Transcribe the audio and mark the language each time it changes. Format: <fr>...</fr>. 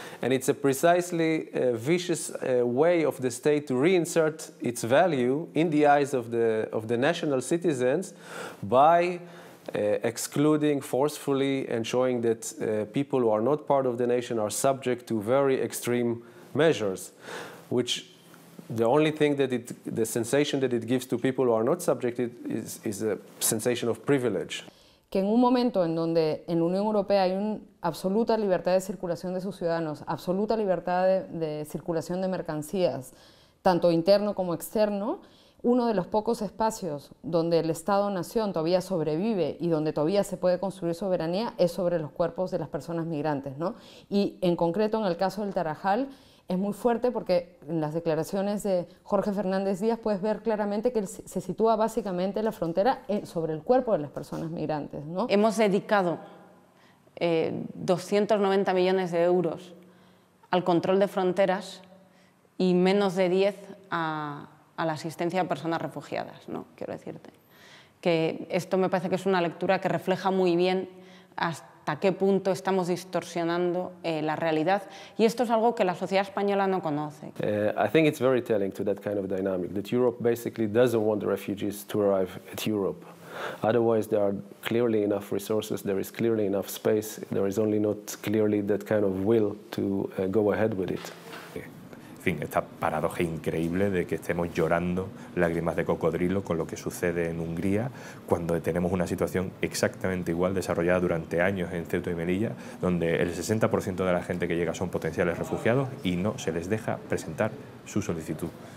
<en>And it's a precisely vicious way of the state to reinsert its value in the eyes of the national citizens by excluding forcefully and showing that people who are not part of the nation are subject to very extreme measures, which the only thing that it, the sensation that it gives to people who are not subjected is a sensation of privilege.</en> <es>Que en un momento en donde en la Unión Europea hay una absoluta libertad de circulación de sus ciudadanos, absoluta libertad de circulación de mercancías, tanto interno como externo, uno de los pocos espacios donde el Estado-Nación todavía sobrevive y donde todavía se puede construir soberanía es sobre los cuerpos de las personas migrantes, ¿no? Y en concreto en el caso del Tarajal, es muy fuerte porque en las declaraciones de Jorge Fernández Díaz puedes ver claramente que se sitúa básicamente la frontera sobre el cuerpo de las personas migrantes, ¿no? Hemos dedicado 290 millones de euros al control de fronteras y menos de 10 a la asistencia a personas refugiadas, ¿no? Quiero decirte que esto me parece que es una lectura que refleja muy bien hasta qué punto estamos distorsionando la realidad, y esto es algo que la sociedad española no conoce.</es> <en>I think it's very telling to that kind of dynamic that Europe basically doesn't want the refugees to arrive at Europe. Otherwise, there are clearly enough resources, there is clearly enough space, there is only not clearly that kind of will to go ahead with it.</en> <es>En fin, esta paradoja increíble de que estemos llorando lágrimas de cocodrilo con lo que sucede en Hungría cuando tenemos una situación exactamente igual desarrollada durante años en Ceuta y Melilla, donde el 60% de la gente que llega son potenciales refugiados y no se les deja presentar su solicitud.</es>